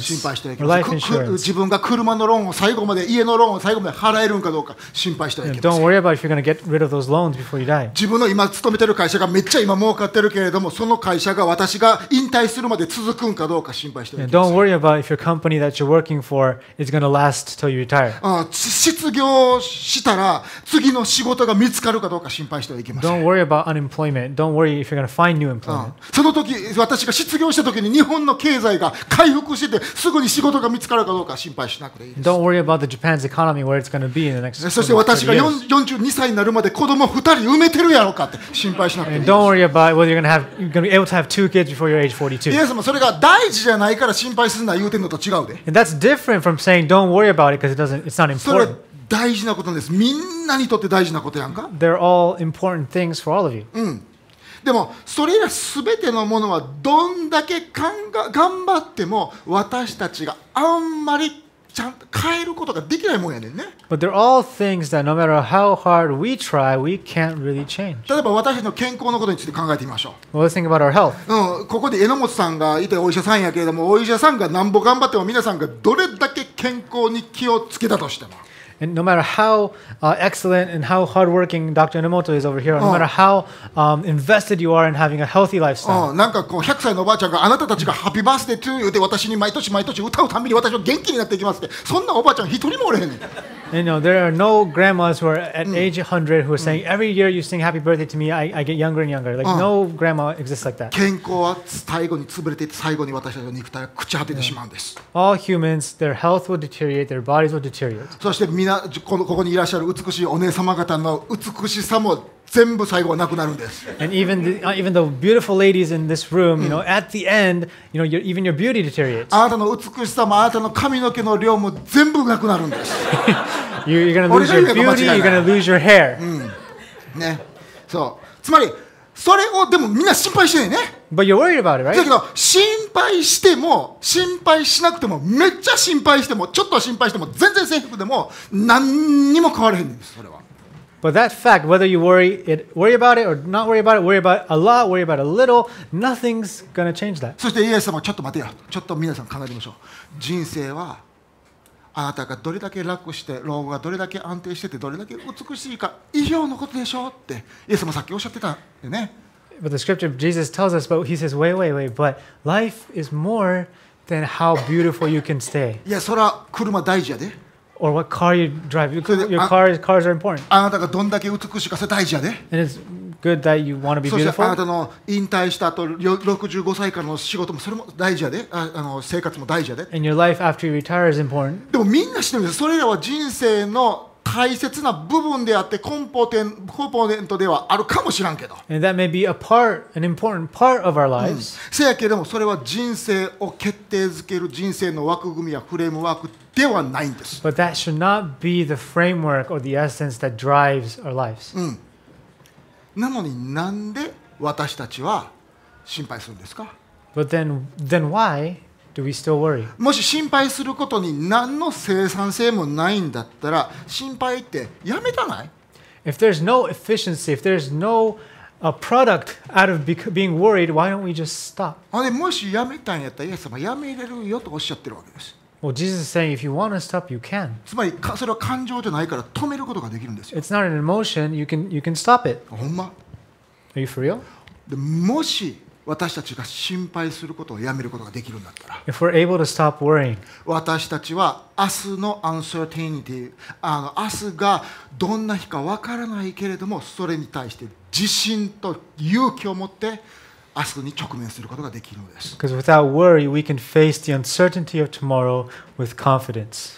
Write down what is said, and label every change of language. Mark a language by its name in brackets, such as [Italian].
[Japanese] 心配してはいけません [English] 。 Life insurance. [Japanese] 自分が車のローンを最後まで、家のローンを最後まで払えるんかどうか心配してはいけません。 [English] Don't worry about if you're going to get rid of those loans before you die. [Japanese] 自分の今勤めてる会社がめっちゃ今儲かってるけれども、その会社が私が引退するまで続くんかどうか心配してはいけません。 [English] Don't worry about if your company that you're working for is going to last till you retire. [Japanese] 失業したら次の仕事が見つかるかどうか心配してはいけません。 [English] Don't worry about unemployment. Don't worry if you're going to find new employment. [Japanese] その時私が失業した時に日本の経済が回復しててすぐに仕事が見つかるかどうか心配しなくていいです。 [English] Don't worry about the Japan's economy where it's going to be in the next. [Japanese] そして私が42歳になるまで子供2人産めてるやろうかって心配しなくていいです。 [English] Don't worry about whether you're going to be able to have two kids before you're age 42. [Japanese] イエス様それが大事じゃないから心配するな言うてんのと違うで。 [English] And that's different from saying don't worry about it because it's not important. [Japanese] 大事なことなんです。みんなにとって大事なことやんか。 [English] They're all important things for all of you. [Japanese] うん。でもそれらすべてのものはどんだけ頑張っても私たちがあんまりちゃんと変えることができないもんやねんね。 [English] But they're all things that no matter how hard we try, we can't really change. [Japanese] 例えば私の健康のことについて考えてみましょう。 [English] Well, let's think about our health. [Japanese] うん。ここで榎本さんがいてお医者さんやけれども、お医者さんがなんぼ頑張っても皆さんがどれだけ健康に気をつけたとしても。 [English] And no matter how excellent and how hardworking Dr. Enomoto is over here, no matter how invested you are in having a healthy lifestyle. [Japanese] なんかこう100歳のおばあちゃんがあなたたちがハッピーバースデーと言って私に毎年毎年歌うたびに私は元気になっていきますって。そんなおばあちゃん一人もおれへんねん。 [English] And you know, there are no grandmas who are at age 100 who are saying, every year you sing happy birthday to me, I get younger and younger. Like, no grandma exists like that. [Japanese] 健康は最後に潰れていて、最後に私たちの肉体は朽ち果ててしまうんです。 [English] All humans, their health will deteriorate, their bodies will deteriorate. [Japanese] そして皆、ここにいらっしゃる美しいお姉様方の美しさも全部最後はなくなるんです。 [English] And even the beautiful ladies in this room, you know, at the end, you know, even your beauty deteriorates. [Japanese] あなたの美しさもあなたの髪の毛の量も全部なくなるんです。 [English] You're gonna lose your beauty. You're gonna lose your hair. [Japanese] ね、そう。つまりそれをでもみんな心配してね。 [English] But you're worried about it, right? [Japanese] だけど心配しても心配しなくてもめっちゃ心配してもちょっと心配しても全然幸福でも何にも変わらへんんです。それは。 [English] But that fact, whether you worry about it or not worry about it, worry about a lot, worry about a little, nothing's gonna change that. [Japanese] そしてイエス様、ちょっと待てよ。ちょっと皆さん考えてみましょう。人生はあなたがどれだけ楽して老後がどれだけ安定しててどれだけ美しいか以上のことでしょうってイエス様さっきおっしゃってたよね。 [English] But the scripture of Jesus tells us, but he says, wait, wait, wait, but life is more than how beautiful you can stay. [Japanese] いや、それは車大事やで。 [English] Or what car you drive. Your cars are important. [Japanese] あなたがどんだけ美しいか、それ大事やで。 [English] And it's good that you want to be beautiful. [Japanese] そしてあなたの引退した後、65歳からの仕事も、それも大事やで。生活も大事やで。 [English] And your life after you retire is important. [Japanese] でもみんな知ってるんです。それらは人生の大切な部分であってコンポーネントではあるかもしらんけど。 [English] And that may be a part, an important part of our lives. [Japanese] せやけどもそれは人生を決定づける人生の枠組みやフレームワークではないんです。 [English] But that should not be the framework or the essence that drives our lives. [Japanese] なのになんで私たちは心配するんですか？ [English] But then why do we still worry? [Japanese] もし心配することに何の生産性もないんだったら、心配ってやめたない？ [English] If there's no efficiency, if there's no product out of being worried, why don't we just stop? [Japanese] あれ、もしやめたんやったら、イエス様やめれるよとおっしゃってるわけです。 [English] Well, Jesus is saying, if you want to stop, you can. [Japanese] つまり、それは感情じゃないから止めることができるんですよ。 [English] It's not an emotion. You can stop it. [Japanese] ほんま？ [English] Are you for real? [Japanese] で、もし私たちが心配することをやめることができるんだったら、 [English] if we're able to stop worrying, [Japanese] 私たちは明日のアンサーティニティ、明日がどんな日かわからないけれども、それに対して自信と勇気を持って、明日に直面することができるのです。 [English] Because without worry, we can face the uncertainty of tomorrow with confidence.